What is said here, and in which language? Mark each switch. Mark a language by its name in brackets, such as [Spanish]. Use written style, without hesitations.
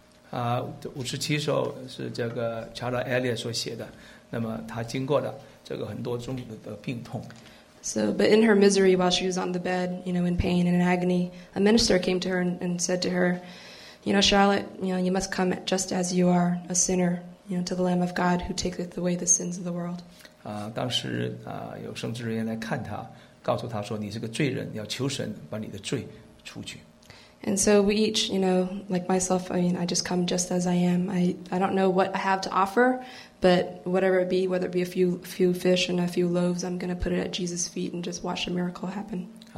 [Chinese] 57首是这个 Charlotte Elliott 所写的，那么她经过的这个很多种的病痛。 [English] So, but in her misery, while she was on the bed, you know, in pain and in agony, a minister came to her and said to her, "You know, Charlotte, you know, you must come just as you are, a sinner, you know, to the Lamb of God who taketh away the sins of the world." [Chinese] 当时有圣职人员来看她，告诉她说，你是个罪人，要求神把你的罪除去。 [English] And so we each, you know, like myself, I mean, I just come just as I am. I don't know what I have to offer, but whatever it be, whether it be a few fish and a few loaves, I'm going to put it at Jesus' feet and just watch a miracle happen.